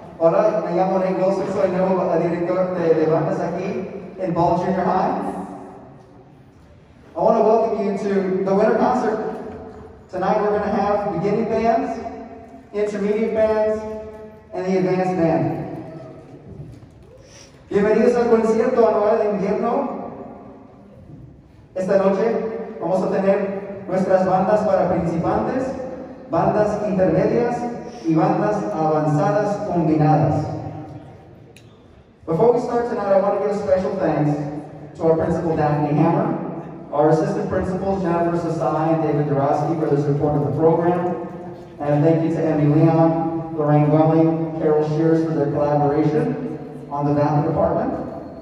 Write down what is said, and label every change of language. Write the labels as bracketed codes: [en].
[en] Hola, me llamo Nate Wilson, soy nuevo director de bandas aquí in Ball Junior High. I want to welcome you to the winter concert. Tonight we're going to have beginning bands, intermediate bands, and the advanced band. [es] Bienvenidos al concierto anual de invierno. Esta noche vamos a tener nuestras bandas para principiantes, bandas intermedias, y bandas avanzadas combinadas. [en] Before we start tonight, I want to give a special thanks to our principal, Daphne Hammer, our assistant principals, Jennifer Sasai and David Dorosky, for their support of the program. And thank you to Emmy Leon, Lorraine Welling, Carol Shears for their collaboration on the Valley Department.